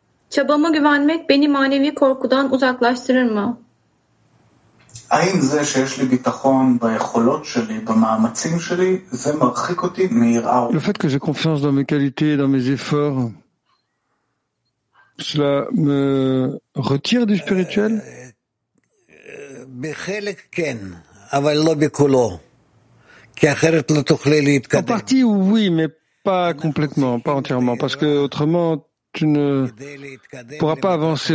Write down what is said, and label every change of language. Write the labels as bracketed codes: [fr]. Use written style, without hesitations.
[tr] Çabamı güvenmek beni manevi korkudan uzaklaştırır mı? [he] האם זה שיש לי ביטחון ביכולות שלי, במאמצים שלי, זה מרחיק אותי מיראה? [fr] Le fait que j'ai confiance dans mes qualités, dans mes efforts, cela me retire du spirituel? [he] בחלק כן, אבל לא בכולו. כי אחרת לא תוכלי להתקדם. [fr] En partie, oui, mais pas complètement, pas entièrement, parce que autrement, tu ne pourras pas avancer.